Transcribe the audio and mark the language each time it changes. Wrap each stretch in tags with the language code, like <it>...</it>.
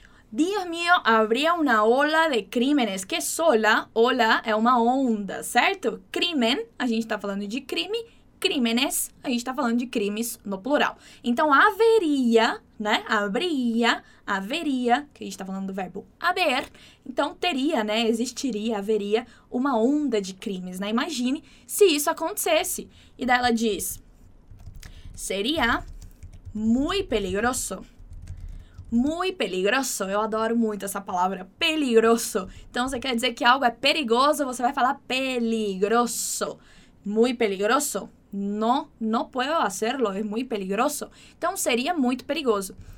<es>Dios mío, habría una ola de crímenes.</es> <pt>Que sola, ola, é uma onda, certo? Crimen, a gente está falando de crime. Crímenes, a gente está falando de crimes no plural. Então, haveria, né? Habría, haveria, que a gente está falando do verbo haber. Então, teria, né? Existiria, haveria uma onda de crimes, né? Imagine se isso acontecesse. E daí ela diz,</pt> <es>seria muy peligroso. Muy peligroso.</es> <pt>Eu adoro muito essa palavra, peligroso. Então, você quer dizer que algo é perigoso, você vai falar peligroso.</pt> <es>Muy peligroso. No, no puedo hacerlo. Es muy peligroso.</es> <pt>Então, seria muito perigoso.</pt>